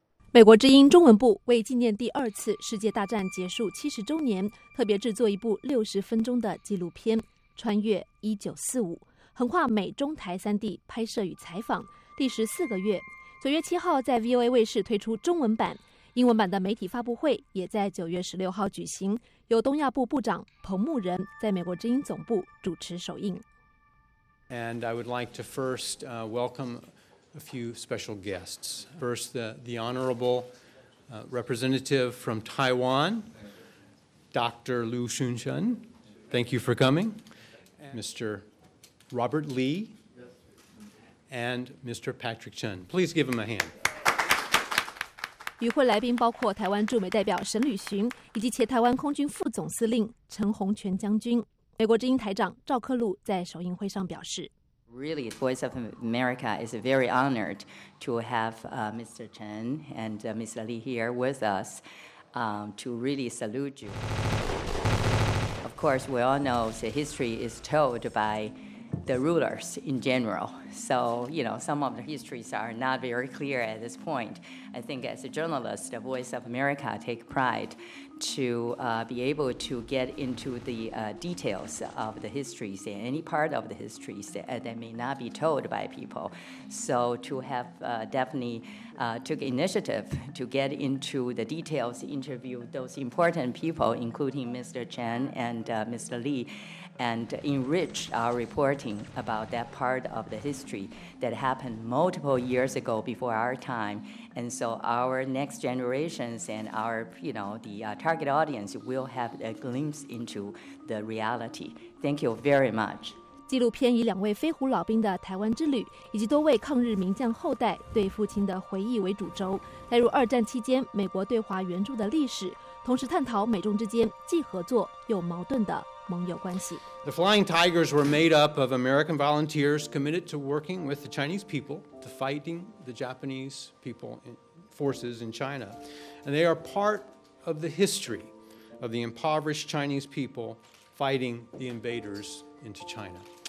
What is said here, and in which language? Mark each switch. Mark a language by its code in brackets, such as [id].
[zh] 美国之音中文部为纪念第二次世界大战结束70周年，特别制作一部60分钟的纪录片《穿越1945》，横跨美中台三地拍摄与采访，历时4个月。 9月7号在 VOA 卫视推出中文版，英文版的媒体发布会也在9月16号举行，由东亚部部长彭慕仁在美国之音总部主持首映。 [en] And I would like to first welcome a few special guests. First, the honorable representative from Taiwan, Dr. Liu Xunchen. Thank you for coming, Mr. Robert Lee and Mr. Patrick Chen. Please give him a hand. [zh] 与会来宾包括台湾驻美代表沈履洵以及前台湾空军副总司令陈洪权将军。美国之音台长赵克禄在首映会上表示 [en] Really, Voice of America is very honored to have Mr. Chen and Ms. Lee here with us to really salute you. Of course, we all know the history is told by the rulers in general. So, you know, some of the histories are not very clear at this point. I think as a journalist, the Voice of America take pride to be able to get into the details of the histories, any part of the histories that may not be told by people. So to have definitely took initiative to get into the details, interview those important people, including Mr. Chen and Mr. Lee,and enrich our reporting about that part of the history that happened multiple years ago before our time. And so our next generations and our, you know, the target audience will have a glimpse into the reality. Thank you very much. [zh] 纪录片以两位飞虎老兵的台湾之旅以及多位抗日名将后代对父亲的回忆为主轴，带入二战期间美国对华援助的历史，同时探讨美中之间既合作又矛盾的盟友关系。 [en] The Flying Tigers were made up of American volunteers committed to working with the Chinese people to fighting the Japanese people forces in China. And they are part of the history of the impoverished Chinese people fighting the invaders into China.